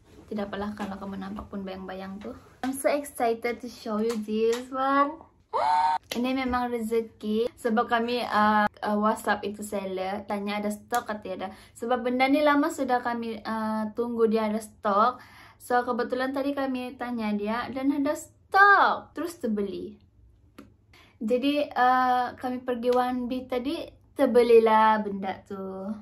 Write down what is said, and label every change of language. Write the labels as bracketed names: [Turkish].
[Malay] Tidak apalah kalau kamu nampak pun bayang-bayang tuh. [English] I'm so excited to show you this one. [Malay] Ini memang rezeki. Sebab kami WhatsApp itu seller. Tanya ada stok atau tidak. Sebab benda ini lama sudah kami tunggu dia ada stok. So kebetulan tadi kami tanya dia dan ada stok. Terus terbeli. Jadi kami pergi 1B tadi. Terbelilah benda tu.